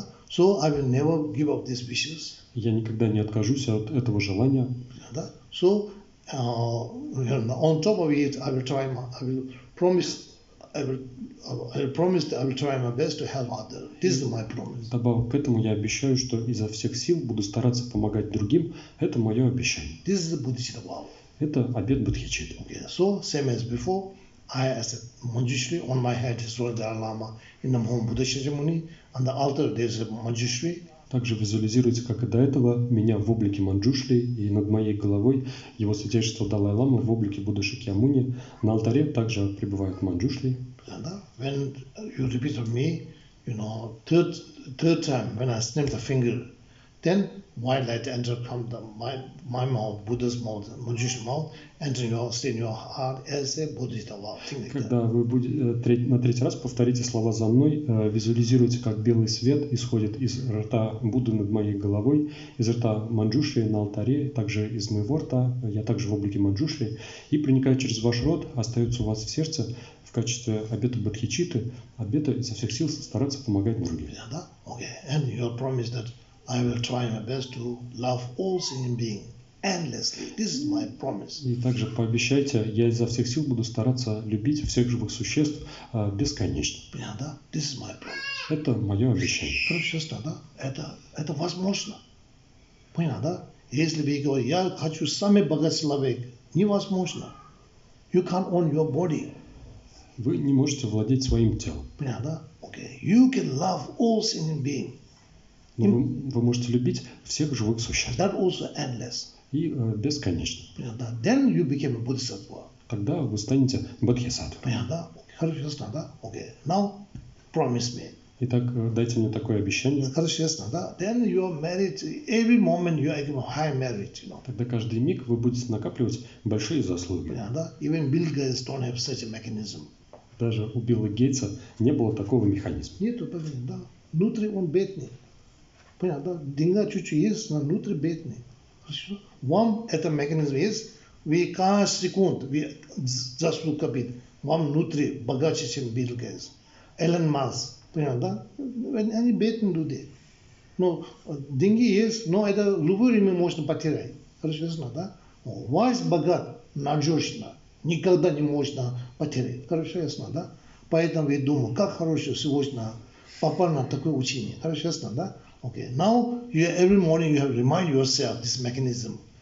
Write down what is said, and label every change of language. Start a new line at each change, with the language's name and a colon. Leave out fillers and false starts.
English: So I will never give up this wishes.
Russian: Я никогда не откажусь от этого желания. Да.
English: So on top of it, I will promise that I will try my best to help others. This is my promise.
Russian: Добавок к этому я обещаю, что изо всех сил буду стараться помогать другим. Это мое обещание.
English: This is the Buddhist vow.
Russian: Это обет Буддхичитты.
English: Okay. So same as before, I as a Manjushri on my head is Lord Dalai Lama in the Home Buddha Shakyamuni, on the altar there is a Manjushri.
Russian: Также визуализируется, как и до этого, меня в облике Манджушри и над моей головой его святейшество Далай-Лама в облике Будды Шакьямуни. На алтаре также пребывает Манджушри.
English: When you repeat of me, you know, third time, when I snap the finger, then white light enter from the, my mouth, Buddha's mouth, Manjushri mouth, enter in your heart as a Buddhist love.
Russian: Когда вы на третий раз повторите слова за мной, визуализируйте, как белый свет исходит из рта Будды над моей головой, из рта Манджушри на алтаре, также из моего рта, я также в облике Манджушри, и проникает через ваш рот, остается у вас в сердце в качестве обета Бодхичитты, обета изо всех сил стараться помогать другим. Да, да, окей.
English: And your promise that I will try my best to love all sentient beings endlessly. This is my promise.
Russian: И также пообещайте, я изо всех сил буду стараться любить всех живых существ бесконечно. Понятно, да?
English: This is my promise.
Russian: Это мое обещание. Хорошо, да? Это возможно. Понятно, да? Если вы говорите, я хочу самый богатый человек, невозможно.
English: You can't own your body.
Russian: Вы не можете владеть своим телом. Понятно, да?
English: Okay. You can love all sentient beings.
Russian: Но вы можете любить всех живых существ.
English: That also endless.
Russian: И бесконечно. Понятно.
English: Then you became a bodhisattva.
Russian: Когда вы станете бодхисаттвой. Понятно. Хорошо, ясно, да?
English: Okay. Now promise me.
Russian: Итак, дайте мне такое обещание. Хорошо, ясно, да?
English: Then you are married. Every moment you are getting high merit, you know.
Russian: Тогда каждый миг вы будете накапливать большие заслуги. Понятно.
English: Even Bill Gates don't have such a mechanism.
Russian: Даже у Билла Гейтса не было такого механизма. Нету, понятно, да. Внутри он бедный. Понятно, да? Деньга чуть-чуть есть, но внутри бедный. Хорошо? Вам это механизм есть. Вы каждый секунд, вы заслуг копит. Вам внутри богаче, чем Билл Гейтс. Эллен Маск. Понятно, да? Они бедные люди. Но деньги есть, но это любое время можно потерять. Хорошо, ясно, да? Вас богат надежно. Никогда не можно потерять. Хорошо, ясно, да? Поэтому я думаю, как хорошо сегодня попал на такое учение. Хорошо, ясно, да? Okay.
English: Now you every morning you have to remind yourself this mechanism.